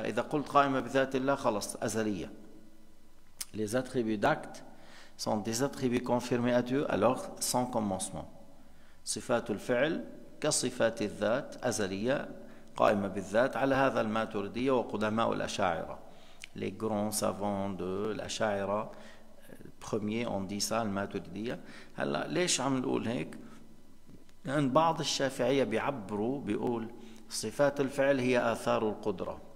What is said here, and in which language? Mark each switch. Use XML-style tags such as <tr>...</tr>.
<ar>إذا قلت قائمة بذات الله خلاص أزلية.</ar> <fr>Les attributs d'acte sont des attributs confirmés à Dieu alors sans commencement.</fr> <ar>صفات الفعل كصفات الذات أزلية قائمة بالذات. على هذا الماتريدية وقدماء الأشاعرة.</ar> <fr>Les grands savants de l'Ash'ari premier on dit ça al-Maturidiyya.</fr> <ar>هلا ليش عم نقول هيك؟ لأن بعض الشافعية بيعبروا بيقول صفات الفعل هي آثار القدرة.</ar>